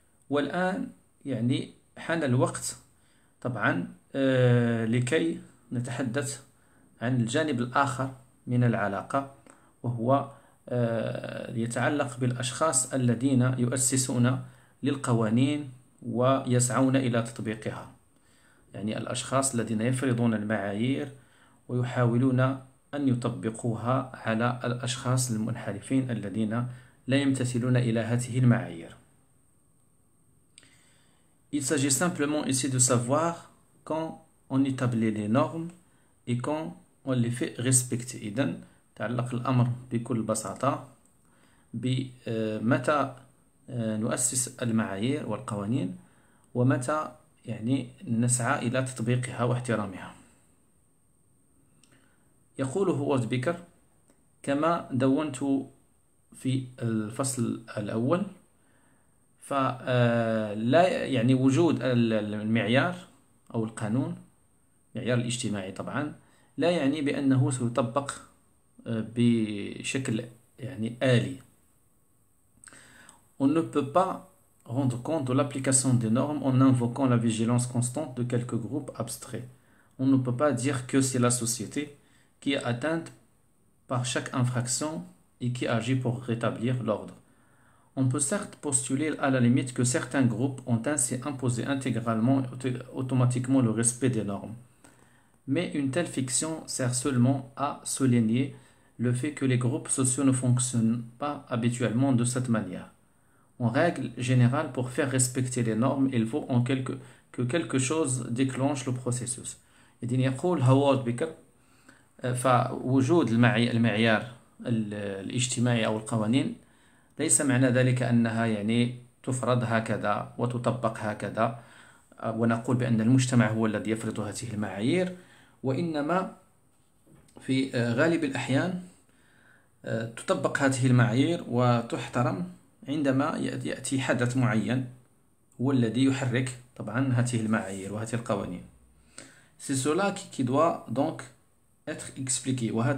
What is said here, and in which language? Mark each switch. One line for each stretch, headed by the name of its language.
Arabic: والآن يعني حان الوقت طبعا لكي نتحدث عن الجانب الآخر من العلاقة وهو يتعلق بالأشخاص الذين يؤسسون للقوانين ويسعون إلى تطبيقها. يعني الأشخاص الذين يفرضون المعايير ويحاولون أن يطبقوها على الأشخاص المنحرفين الذين لا يمتثلون إلى هذه المعايير.
French: Il s'agit simplement ici de savoir quand on établit les normes et quand on les fait respecter.
Arabic: إذن تعلق الأمر بكل بساطة بمتى نؤسس المعايير والقوانين ومتى يعني نسعى إلى تطبيقها واحترامها. يقول هوارد بيكر كما دونت في الفصل الأول، فلا يعني وجود المعيار أو القانون المعيار الاجتماعي طبعا لا يعني بأنه سيطبق بشكل يعني آلي.
French: On ne peut pas rendre compte de l'application des normes en invoquant la vigilance constante de quelques groupes abstraits. On ne peut pas dire que c'est la société qui est atteinte par chaque infraction et qui agit pour rétablir l'ordre. On peut certes postuler à la limite que certains groupes ont ainsi imposé intégralement et automatiquement le respect des normes. Mais une telle fiction sert seulement à souligner le fait que les groupes sociaux ne fonctionnent pas habituellement de cette manière. En règle générale, pour faire respecter les normes, il faut en quelque, que quelque chose déclenche le processus. Et il y a
Arabic: Howard Baker, فوجود المعيار الاجتماعي أو القوانين ليس معنى ذلك أنها يعني تفرض هكذا وتطبق هكذا ونقول بأن المجتمع هو الذي يفرض هذه المعايير، وإنما في غالب الأحيان تطبق هذه المعايير وتحترم عندما يأتي حدث معين هو الذي يحرك طبعا هذه المعايير وهذه القوانين.
French: C'est cela qui doit donc être expliqué.